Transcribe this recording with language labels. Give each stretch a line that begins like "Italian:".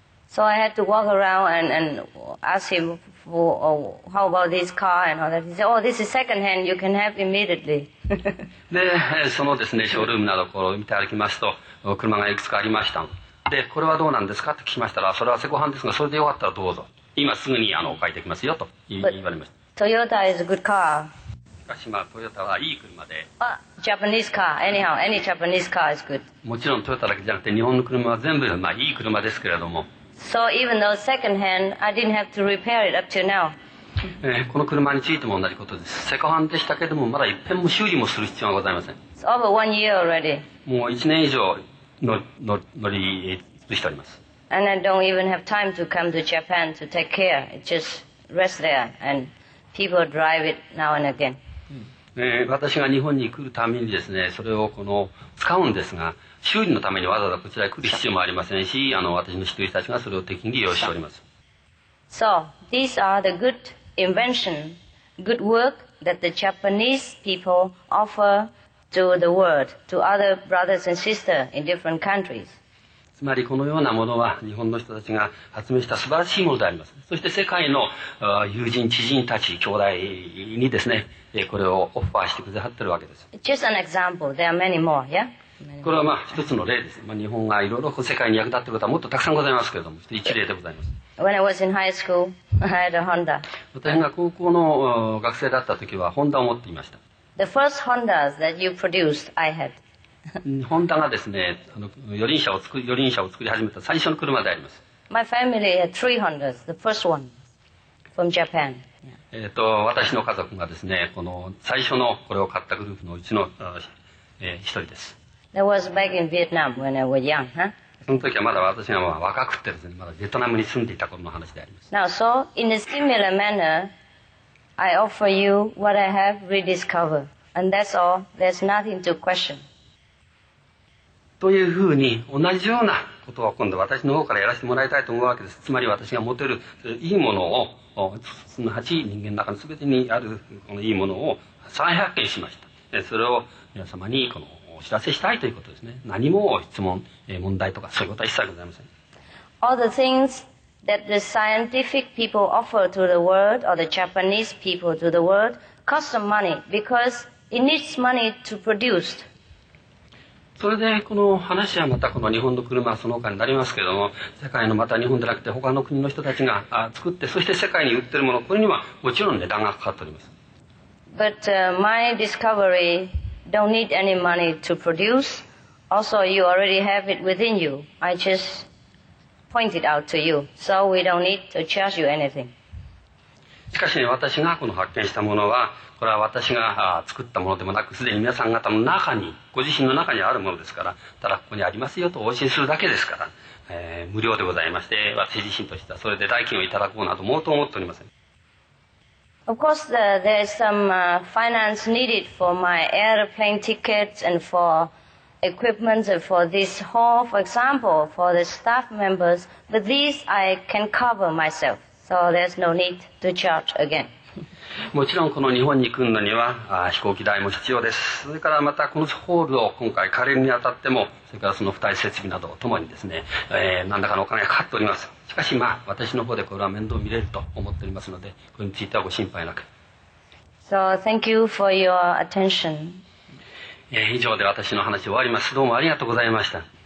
English: So I had to walk around and ask him how about this car and all that. He said, oh, this is second hand, you can have immediately.
Japanese: で、そのですね、ショールームなどを見て歩きますと、車がいくつかありました。で、これはどうなんですかって聞きましたら、それはセコハンですが、それでよかったらどうぞ。今すぐにお借りできますよと言われました。
English: Toyota is a good car.
Japanese: しかし、Toyota はいい車で。
English: Japanese car. Anyhow, any Japanese car is good.
Japanese: もちろん Toyota だけじゃなくて、日本の車は全部、いい車ですけれども、
English: So even though second hand, I didn't have to repair it up to now.
Japanese: この車についても同じことです。セコハンでしたけれども、まだ一遍も修理もする必要はございません。
English: It's over 1 year already.
Japanese: もう1年以上乗り尽くしております。
English: And I don't even have time to come to Japan to take care. It just rests there, and people drive it now and again.
Japanese: 私が日本に来るためにですね、それを使うんですが、修理のためにわざわざこちらへ来る必要もありませんし、私の人たちがそれを適宜利用しております。
English: So, these are the good invention, good work that the Japanese people offer to the world, to other brothers and sisters in different countries.
Japanese: つまりこのようなものは日本の人たちが発明した素晴らしいものであります。そして世界の友人、知人たち、兄弟にですね、これをオファーしてくださってるわけです。
English: Just an example, there are many more, yeah?
Japanese: これは一つの例です。日本がいろいろ世界に役立っていることはもっとたくさんございますけれども、一例でございます。
English: When I was in high school, I had a Honda.
Japanese: 私が高校の学生だったときは、ホンダを持っていました。
English: The first Honda that you produced, I had.
Japanese: ホンダがですね、四輪車を作り始めた最初の車であります。
English: My family had three Hondas, the first one from Japan.
Japanese: 私の家族がですね、この最初のこれを買ったグループのうちの一人です。
English: That was back in Vietnam when I was young, huh?
Japanese: その時はまだ私が若くてですね、まだベトナムに住んでいた頃の話であります。
English: Now, so in a similar manner, I offer you what I have rediscovered, and that's all. There's nothing to question.
Japanese: というふうに同じようなことを今度私の方からやらせてもらいたいと思うわけです。つまり私が持てるいいものを、すなわち人間の中のすべてにあるこのいいものを再発見しました。で、それを皆様にこのお知らせしたいということですね。何も質問、問題とかそういうことは一切ございません。
English: All the things that the scientific people offer to the world or the Japanese people to the world cost some money because it needs money to produce.
Japanese: それでこの話はまたこの日本の車はその他になりますけれども、世界のまた日本でなくて他の国の人たちが作って、そして世界に売ってるもの、これにはもちろん値段がかかっております。
English: But my discovery don't need any money to produce. Also, you already have it within you. I just pointed out to you, so we don't need to charge you anything.
Japanese: しかし、ね、私がこの発見したものは、これは私が作ったものでもなく、すでに皆さん方の中に、ご自身の中にあるものですから、ただここにありますよとお教えするだけですから、無料でございまして、私自身としてはそれで代金をいただこうなどもうと思っておりません。
English: Of course, there's some finance needed for my airplane tickets and for equipment and for this hall, for example, for the staff members. But these I can cover myself, so there's no need to charge again.
Japanese: もちろんこの日本に来るのには飛行機代も必要です。それからまたこのホールを今回借りるにあたっても、それからその付帯設備などともにですね、何らかのお金がかかっております。しかしまあ私の方でこれは面倒見れると思っておりますので、これについてはご心配なく。
English: So thank you for your attention.
Japanese: 以上で私の話終わります。どうもありがとうございました。